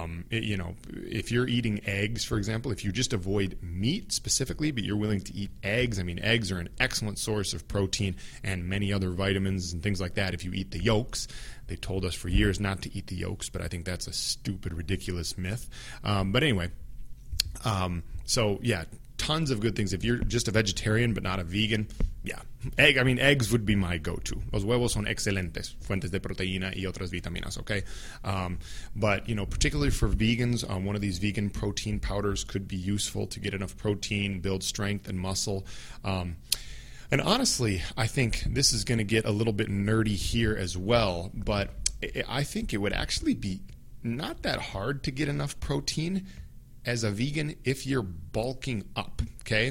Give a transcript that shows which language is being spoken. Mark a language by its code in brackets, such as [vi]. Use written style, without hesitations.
[en] If you're eating eggs, for example, if you just avoid meat specifically, but you're willing to eat eggs, I mean, eggs are an excellent source of protein and many other vitamins and things like that if you eat the yolks. They told us for years not to eat the yolks, but I think that's a stupid, ridiculous myth. But anyway, tons of good things. If you're just a vegetarian but not a vegan, yeah. Eggs would be my go-to. [es] Los huevos son excelentes, fuentes de proteína y otras vitaminas, okay? [en] Particularly for vegans, one of these vegan protein powders could be useful to get enough protein, build strength and muscle. And honestly, I think this is going to get a little bit nerdy here as well, but I think it would actually be not that hard to get enough protein as a vegan if you're bulking up, okay?